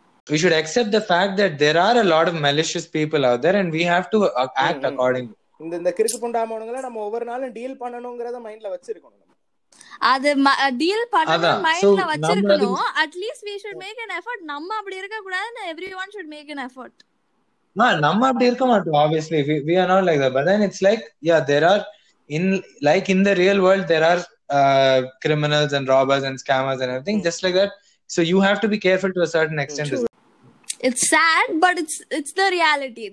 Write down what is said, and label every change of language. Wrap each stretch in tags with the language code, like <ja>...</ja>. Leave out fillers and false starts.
<en>We should accept the fact that there are a lot of malicious people out there and we have to act accordingly.</en> <ta>இந்த கிறுக்கு பண்டாமவங்கள நம்ம ஒவ்வொரு நாளும் deal பண்ணனும்ங்கறத மைண்ட்ல வச்சிருக்கணும். அது டீல் பண்ணனும் மைண்ட்ல வச்சிருக்கணும்.</ta> <en>At least we should make an effort.</en> <ta>நம்ம அப்படி இருக்க கூடாதுன்னு</ta> <en>everyone should make an effort.</en> <ta>நம்ம அப்படி இருக்க மாட்டோம்</ta> <en>obviously we are not like that, but then it's like there are in the real world there are criminals and robbers and scammers and everything just like that. So you have to be careful to a certain extent. True. It's sad but it's the reality.</en>